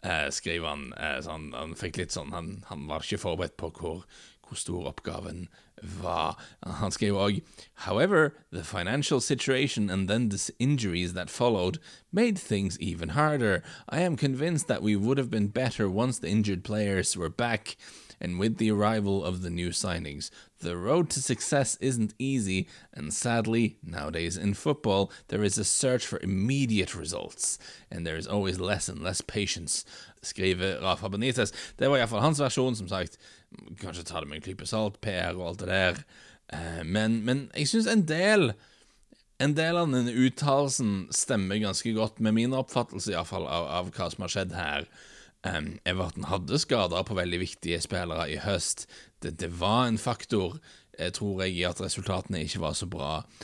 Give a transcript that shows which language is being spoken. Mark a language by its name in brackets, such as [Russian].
[Norwegian] Skrev han, så han fikk litt sånn, han var ikke forberedt på hvor stor oppgaven var. Han skrev også, [English] "However, the financial situation and then the injuries that followed made things even harder. I am convinced that we would have been better once the injured players were back and with the arrival of the new signings. The road to success isn't easy, and sadly, nowadays in football, there is a search for immediate results, and there is always less and less patience," [Norwegian] skriver Rafa Benitez. Det var i hvert fall hans versjon, som sagt, kanskje ta det med en klype salt, PR og alt det der. Men jeg synes en del av denne uttalesen stemmer ganske godt med min oppfattelse i hvert fall av hva som har skjedd her. Everton hadde skader på veldig viktige spillere i høst. Det var en faktor, tror jeg, i at resultatene ikke var så bra.